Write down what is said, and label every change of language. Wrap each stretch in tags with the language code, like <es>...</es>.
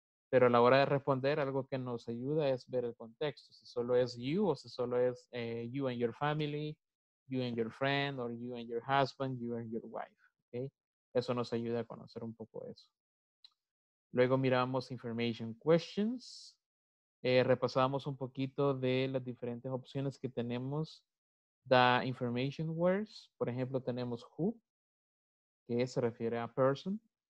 <es>Pero a la hora de responder, algo que nos ayuda es ver el contexto. Si solo es you o si solo es</es> <en>you and your family, you and your friend, or you and your husband, you and your wife. ¿Okay?</en> <es>Eso nos ayuda a conocer un poco eso. Luego miramos information questions. Repasamos un poquito de las diferentes opciones que tenemos.</es> <en>The information words.</en> <es>Por ejemplo, tenemos who, que se refiere a person.</es>